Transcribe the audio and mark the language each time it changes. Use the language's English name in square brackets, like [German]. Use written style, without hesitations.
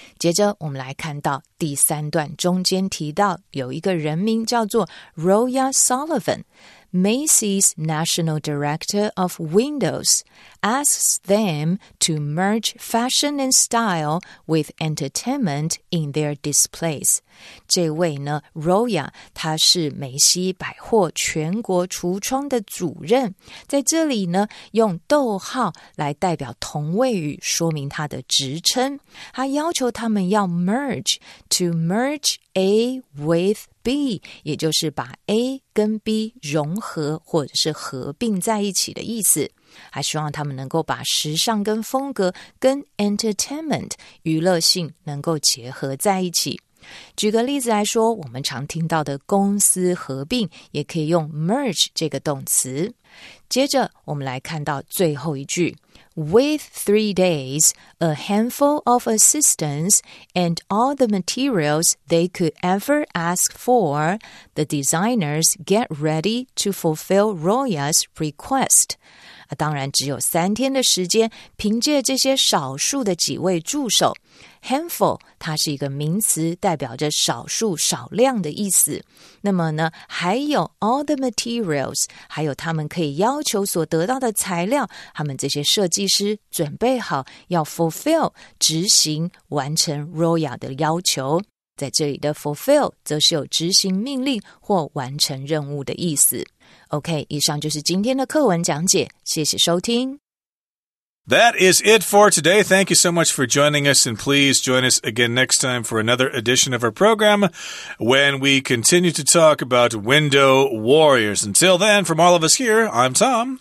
[Chinese] 接着我们来看到第三段中间提到有一个人名叫做 [English] Roya Sullivan,Macy's National Director of Windows asks them to merge fashion and style with entertainment in their displays. [Chinese] 这位呢 Roya, 他是梅西百货全国橱窗的主任，在这里呢用逗号来代表同位语说明他的职称。他要求他们要 merge, [English] to merge A withB, [Chinese] 也就是把 A 跟 B 融合或者是合并在一起的意思，还希望他们能够把时尚跟风格跟 entertainment 娱乐性能够结合在一起。举个例子来说，我们常听到的公司合并也可以用 merge 这个动词。接着我们来看到最后一句 [English] With 3 days, a handful of assistants, and all the materials they could ever ask for, the designers get ready to fulfill Roya's request. [Chinese] 当然只有三天的时间，凭借这些少数的几位助手。 Handful, 它是一个名词，代表着少数、少量的意思。那么呢，还有 all the materials, 还有他们可以要求所得到的材料，他们这些设计师准备好要 fulfill, 执行、完成 Roya 的要求。在这里的 fulfill, 则是有执行命令或完成任务的意思。 OK, 以上就是今天的课文讲解，谢谢收听。 [English] That is it for today. Thank you so much for joining us, and please join us again next time for another edition of our program when we continue to talk about Window Warriors. Until then, from all of us here, I'm Tom.